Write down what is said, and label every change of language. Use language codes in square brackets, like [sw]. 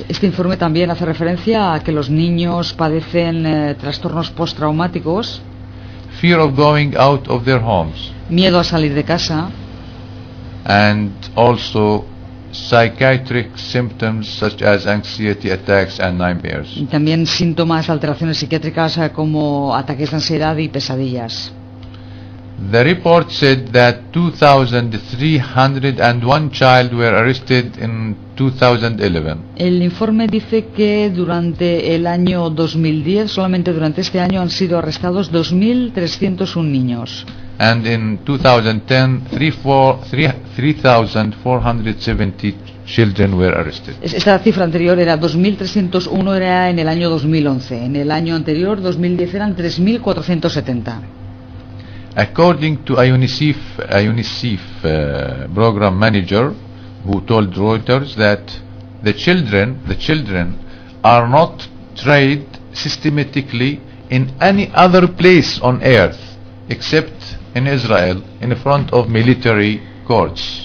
[es] Este informe también hace referencia a que los niños padecen trastornos post-traumáticos. [en] Fear of going out of their homes. [es] Miedo a salir de casa. [en] And also psychiatric symptoms such as anxiety attacks and nightmares. [es] Y también síntomas de alteraciones psiquiátricas como ataques de ansiedad y pesadillas. [en] The report said that 2,301 children were arrested in 2011. [es] El informe dice que durante el año 2010, solamente durante este año, han sido arrestados 2,301 niños. [en] And in 2010, 3,470 children were arrested. [es] Esta cifra anterior era 2,301 era en el año 2011. En el año anterior, 2010, eran 3,470. [en] According to a UNICEF program manager who told Reuters that the children are not trained systematically in any other place on earth except in Israel in front of military courts.